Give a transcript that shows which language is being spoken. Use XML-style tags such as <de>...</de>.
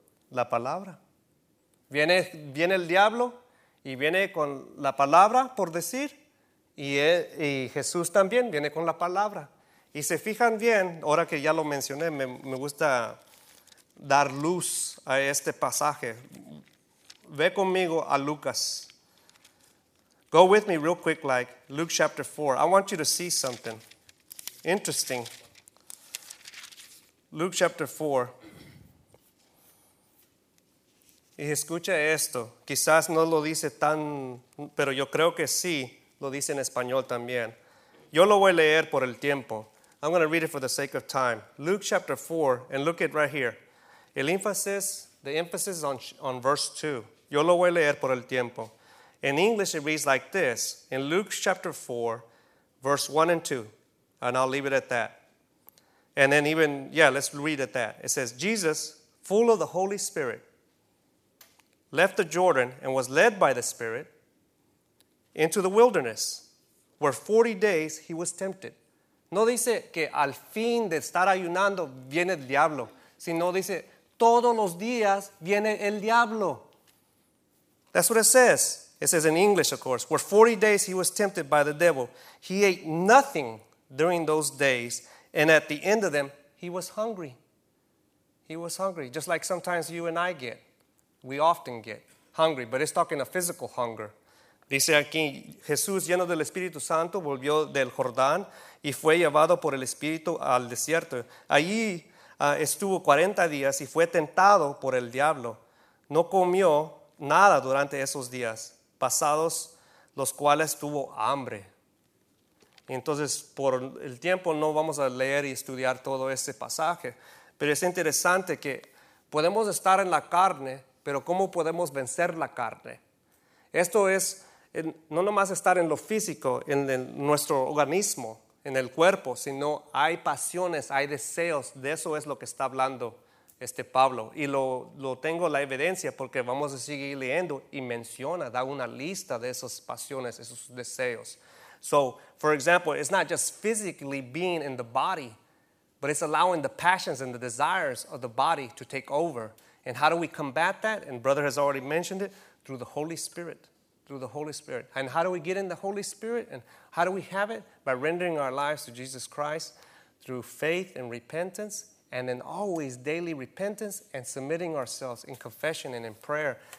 <es>La palabra. Viene el diablo y viene con la palabra, por decir, y Jesús también viene con la palabra. Y se fijan bien, ahora que ya lo mencioné, me gusta dar luz a este pasaje. Ve conmigo a Lucas.</es> <en>Go with me real quick, like Luke chapter 4. I want you to see something interesting. Luke chapter 4.</en> <es>Y escucha esto, quizás no lo dice tan, pero yo creo que sí, lo dice en español también. Yo lo voy a leer por el tiempo.</es> <en>I'm going to read it for the sake of time. Luke chapter 4, and look at right here.</en> <es>El énfasis,</es> <en>the emphasis on verse 2.</en> <es>Yo lo voy a leer por el tiempo.</es> <en>In English it reads like this. In Luke chapter 4, verse 1 and 2, and I'll leave it at that. And then even, yeah, let's read at that. It says, Jesus, full of the Holy Spirit, left the Jordan and was led by the Spirit into the wilderness, where 40 days he was tempted.</en> <es>No dice que al fin de estar ayunando viene el diablo, sino dice, todos los días viene el diablo.</es> <en>That's what it says. It says in English, of course, where 40 days he was tempted by the devil. He ate nothing during those days, and at the end of them, he was hungry. He was hungry, just like sometimes you and I get. We often get hungry, but it's talking a physical hunger.</en> <es>Dice aquí, Jesús, lleno del Espíritu Santo, volvió del Jordán y fue llevado por el Espíritu al desierto. Allí estuvo 40 días y fue tentado por el diablo. No comió nada durante esos días, pasados los cuales tuvo hambre. Entonces, por el tiempo no vamos a leer y estudiar todo ese pasaje, pero es interesante que podemos estar en la carne, pero ¿cómo podemos vencer la carne? Esto es no nomás estar en lo físico, en nuestro organismo, en el cuerpo, sino hay pasiones, hay deseos, de eso es lo que está hablando Pablo. Y lo tengo la evidencia porque vamos a seguir leyendo y menciona, da una lista de esas pasiones, esos deseos.</es> <en>So, for example, it's not just physically being in the body, but it's allowing the passions and the desires of the body to take over. And how do we combat that? And brother has already mentioned it, through the Holy Spirit. Through the Holy Spirit. And how do we get in the Holy Spirit? And how do we have it? By rendering our lives to Jesus Christ through faith and repentance, and then always daily repentance and submitting ourselves in confession and in prayer.</en>